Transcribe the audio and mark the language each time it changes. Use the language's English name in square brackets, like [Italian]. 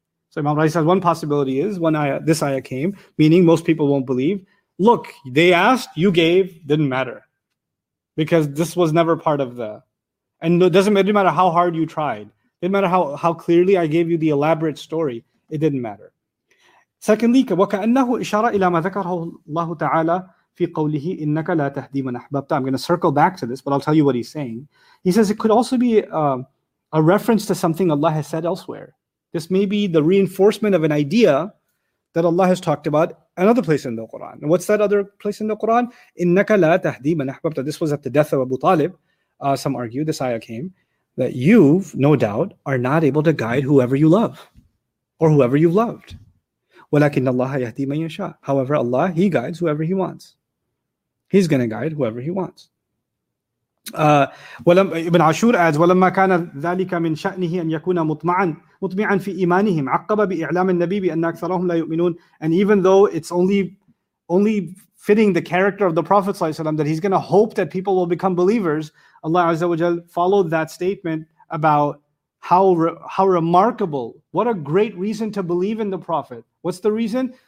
[English] So Imam Razi says one possibility is this ayah came, meaning most people won't believe. Look, they asked, you gave, didn't matter. Because this was never part of the... And it didn't matter how hard you tried. It didn't matter how clearly I gave you the elaborate story. It didn't matter. Secondly, [Arabic] وَكَأَنَّهُ إِشَارَ إِلَى مَا ذَكَرَهُ اللَّهُ تَعَالَى فِي قَوْلِهِ إِنَّكَ لَا تَهْدِي مَنْ أَحْبَبْتَ. [English] I'm going to circle back to this, but I'll tell you what he's saying. He says it could also be a reference to something Allah has said elsewhere. This may be the reinforcement of an idea that Allah has talked about another place in the Quran. And what's that other place in the Quran? [Arabic] إِنَّكَ لَا تَهْدِي مَنْ أَحْبَبْتَ. [English] This was at the death of Abu Talib. some argue, this ayah came, that you, no doubt, are not able to guide whoever you love or whoever you've loved. [Arabic] وَلَكِنَّ اللَّهَ يَهْدِي مَنْ يَشَاءُ. [English] However, Allah, He guides whoever He wants. He's going to guide whoever He wants. Ibn Ashur adds, [Arabic] وَلَمَّا كَانَ ذَلِكَ مِنْ شَأْنِهِ أَنْ يَكُونَ مُطْمِعًا فِي إِيمَانِهِمْ عَقَّبَ بِإِعْلَامِ النَّبِي بِأَنَّ أَكْثَرَهُمْ لَا يُؤْمِنُونَ. [English] And even though it's only fitting the character of the Prophet ﷺ, that he's going to hope that people will become believers, Allah Azza wa Jal followed that statement about how remarkable, what a great reason to believe in the Prophet. What's the reason?